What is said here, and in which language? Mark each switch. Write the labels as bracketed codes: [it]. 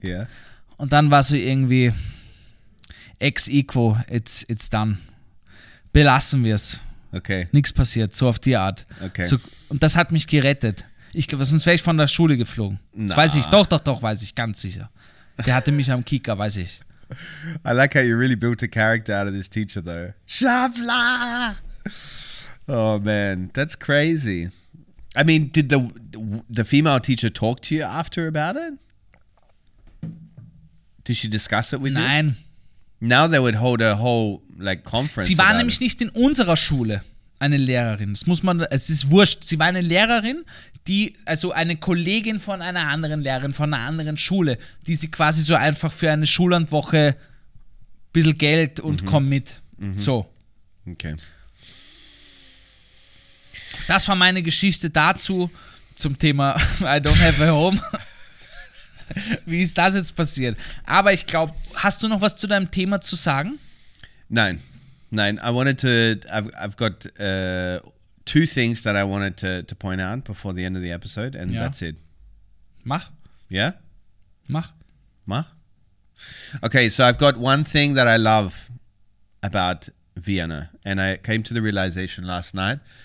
[en] Yeah. [de] Und dann war so irgendwie ex equo, [en] it's done. [de] Belassen wir es. [en] Okay. [de] Nichts passiert, so auf die Art. [en] Okay. [de] So, und das hat mich gerettet. Ich glaube, sonst wäre ich von der Schule geflogen. Das weiß ich. Doch, doch, doch, weiß ich, ganz sicher. Der hatte mich am Kicker, weiß ich. [en] I like how you really built a character out of this teacher, though. [de] Schaffler! [en] Oh man, that's crazy. I mean, did the female teacher talk to you after about it? Did she discuss it with, [de] nein, Nein. [en] Now they would hold a whole like conference. [de] Sie war nämlich nicht in unserer Schule eine Lehrerin. Das muss man, es ist wurscht. Sie war eine Lehrerin, die, also eine Kollegin von einer anderen Lehrerin, von einer anderen Schule, die sie quasi so einfach für eine Schullandwoche ein bisschen Geld und, mhm, komm mit. Mhm. So. [en] Okay. [de] Das war meine Geschichte dazu, zum Thema [en] I don't have a home. [de] Wie ist das jetzt passiert? Aber ich glaube, hast du noch was zu deinem Thema zu sagen? Nein, nein. [en] I've got two things that I wanted to point out before the end of the episode and, ja, that's it. [de] Mach. [en] Yeah? [de] Mach. Mach. [en] Okay, so I've got one thing that I love about Vienna and I came to the realization last night.